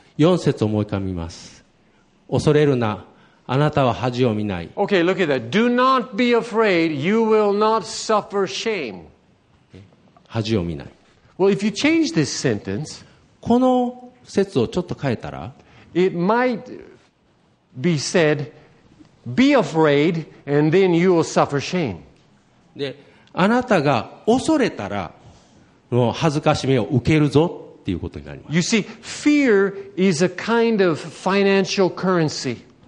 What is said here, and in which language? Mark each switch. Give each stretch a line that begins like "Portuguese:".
Japanese: 4節を思い浮かびます。恐れるな、あなたは恥を見ない。
English: Okay, look at that. Do not be afraid. You will not suffer shame.
Japanese: 恥を見ない。
English: Well, if you change this sentence,
Japanese: この節をちょっと変えたら、
English: it might be said, be afraid, and then you will suffer shame.
Japanese: で、あなたが恐れたら、もう恥ずかしめを受けるぞ。ということになります。
English: You see, fear is a kind of financial currency.